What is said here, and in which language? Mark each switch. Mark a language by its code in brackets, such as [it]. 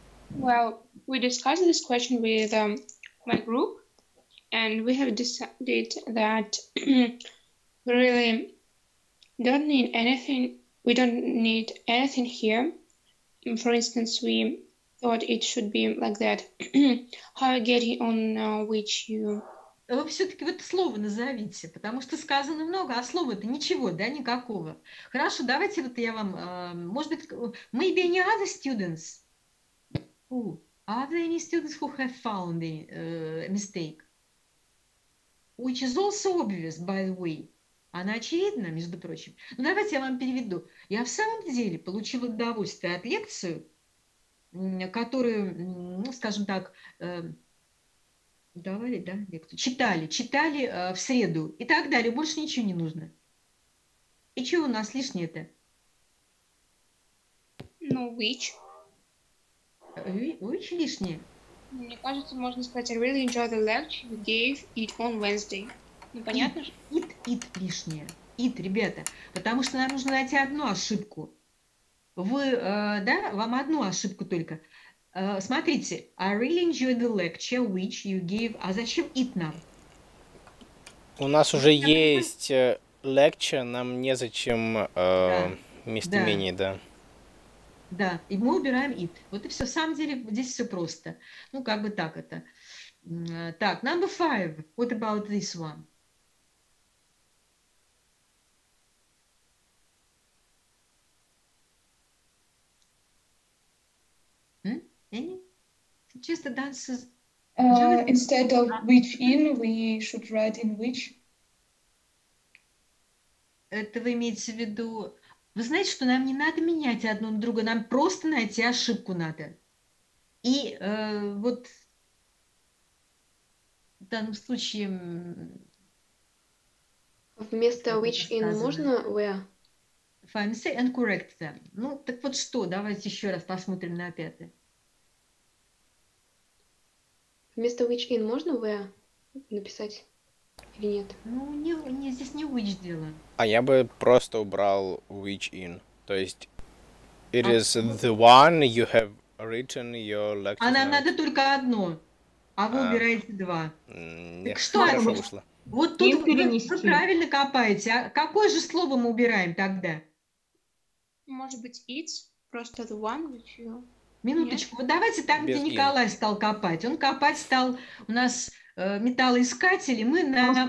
[en] Well, we discussed this question with my group, and we have decided that we really don't need anything. We don't need anything here. For instance, we thought it should be like that. How are you getting on which you... [ru] Вы все-таки вот слово назовите, потому что сказано много, а слова-то ничего, да, никакого. Хорошо, давайте вот я вам... может быть, [en] maybe any other students? Ooh, are there any students who have found a mistake? Which is also obvious, by the way. [ru] Она очевидна, между прочим. Ну, давайте я вам переведу. Я в самом деле получила удовольствие от лекции, которую, ну, скажем так, давали, да, лекцию. Читали в среду и так далее. Больше ничего не нужно. И чего у нас лишнее-то? Ну, which? Which лишнее? Мне кажется, можно сказать, [en] I really enjoyed the lecture you gave it on Wednesday. [ru] Ну, понятно же. It лишнее. It, ребята. Потому что нам нужно найти одну ошибку. Вы, да, вам одну ошибку только. Смотрите, [en] I really enjoyed the lecture which you gave. [ru] А зачем it нам? У нас уже есть lecture, нам незачем местоимение, да. Да. Да, и мы убираем it. Вот и все. В самом деле здесь все просто. Ну, как бы так это. Так, [en] number five. What about this one? Any? Just the dances. Instead of which in, we should write in which. [ru] Это вы имеете в виду? Вы знаете, что нам не надо менять одно на другое, нам просто найти ошибку надо. И вот в данном случае вместо which in можно where? [en] Fine, say and correct them. [ru] Ну, так вот что, давайте еще раз посмотрим на пятое. Вместо which in можно where написать или нет? Ну, не, не, здесь не which дело. А я бы просто убрал which in. То есть, [en] it is the one you have written your lecture. [ru] А нам надо только одно, а вы убираете два. Нет, так что хорошо это? Вышло. Вот тут вы правильно копаете. А какое же слово мы убираем тогда? Может быть, [en] it's [ru] просто [en] the one which you... [ru] Минуточку, нет. Вот давайте там, без где Николай in. Стал копать. Он копать стал у нас металлоискатель, и мы на